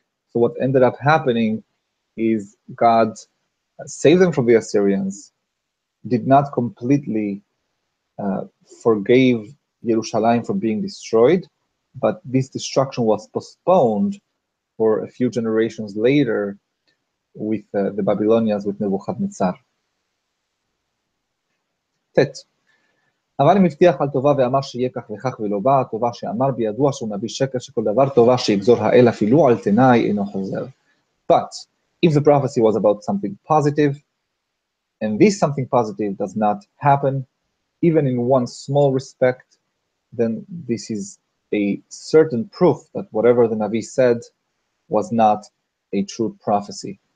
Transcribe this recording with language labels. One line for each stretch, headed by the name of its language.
English: So what ended up happening is God saved them from the Assyrians, did not completely forgave Yerushalayim from being destroyed, but this destruction was postponed for a few generations later with the Babylonians, with Nebuchadnezzar.
Hebrew: Tet. אבל אם הבטיח על טובה ואמר שיהיה כך וכך ולא בא, הטובה שאמר בידוע שהוא נביא שקר שכל דבר טובה שיגזור האל אפילו על תנאי אינו חוזר.
English: But if the prophecy was about something positive, and this something positive does not happen, even in one small respect, then this is a certain proof that whatever the Navi said was not a true prophecy.